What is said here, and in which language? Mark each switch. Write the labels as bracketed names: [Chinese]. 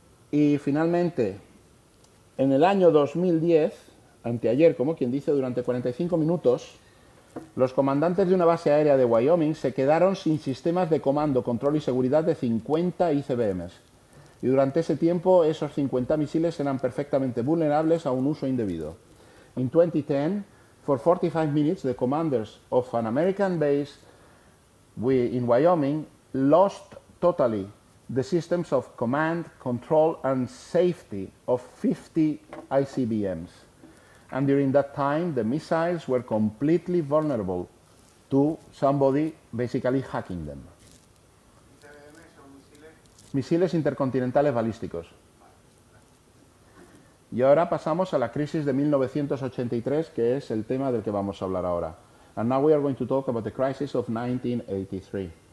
[Spanish] Y finalmente, en el año 2010, anteayer, como quien dice, durante 45 minutos, los comandantes de una base aérea de Wyoming se quedaron sin sistemas de comando, control y seguridad de 50 ICBMs. Y durante ese tiempo, esos 50 misiles eran perfectamente vulnerables a un uso indebido. [English] In 2010, for 45 minutes, the commanders of an American base in Wyoming lost totally the systems of command, control and safety of 50 ICBMs. And during that time, the missiles were completely vulnerable to somebody basically hacking them. [Spanish] Misiles intercontinentales balísticos. Y ahora pasamos a la crisis de 1983, que es el tema del que vamos a hablar ahora. [English] And now we are going to talk about the crisis of 1983.